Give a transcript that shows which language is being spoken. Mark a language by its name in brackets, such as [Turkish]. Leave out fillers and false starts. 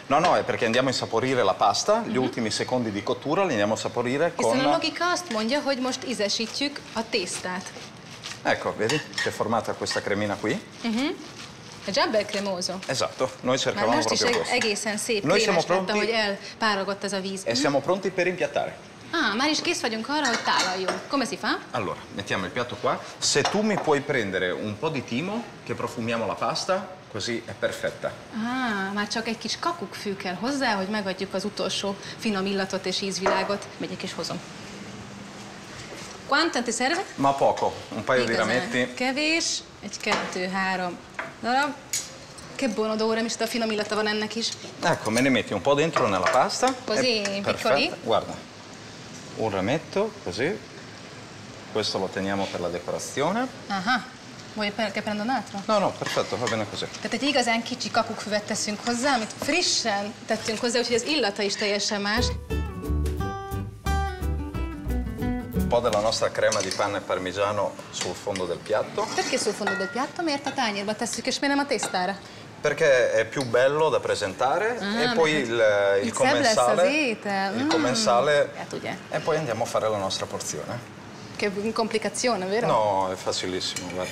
[Italian] No, no, è perché andiamo a insaporire la pasta, gli ultimi secondi di cottura li andiamo a saporire con... [Hungarian] E sono logica, azt mondja, hogy most ízesítjük a tésztát. [Italian] Ecco, vedi, si è formata questa cremina qui. È già bel cremoso. Esatto, noi cercavamo proprio questo. [Hungarian] Ma most is egészen szép krémes, [Italian] siamo pronti... [Hungarian] tehát, hogy elpárogott ez a víz. [Italian] E siamo pronti per impiattare. [Hungarian] Ah, már is kész vagyunk arra, hogy tálaljunk. [Italian] Come si fa? Allora, mettiamo il piatto qua. Se tu mi puoi prendere un po' di timo, che profumiamo la pasta, così è perfetta. [Hungarian] Ah, már csak egy kis kakukkfű kell hozzá, hogy megadjuk az utolsó finom illatot és ízvilágot. Megyek és hozom. [Italian] Quanto ti serve? Ma poco, un paio di rametti. [Hungarian] Kevés, egy, kettő, három darab. [Italian] Che buon odore, mi sta [Hungarian] finom illata van ennek is. [Italian] Ecco, me ne metti un po' dentro nella pasta. Così, piccoli? Guarda. Un rametto, così. Questo lo teniamo per la decorazione. Aha. Vuoi che prendo un altro? No, no, perfetto, va bene così. [Hungarian] Tehát egy igazán kicsi kakukkfüvet teszünk hozzá, amit frissen tettünk hozzá, úgyhogy az illata is teljesen más. [Italian] Un po' della nostra crema di panna e parmigiano sul fondo del piatto. Perché sul fondo del piatto? [Hungarian] Miért a tányérba tesszük, és miért nem a tésztára? [Italian] Perché è più bello da presentare e poi il commensale. Il commensale. E poi andiamo a fare la nostra porzione. Che complicazione, vero? No, è facilissimo, guarda.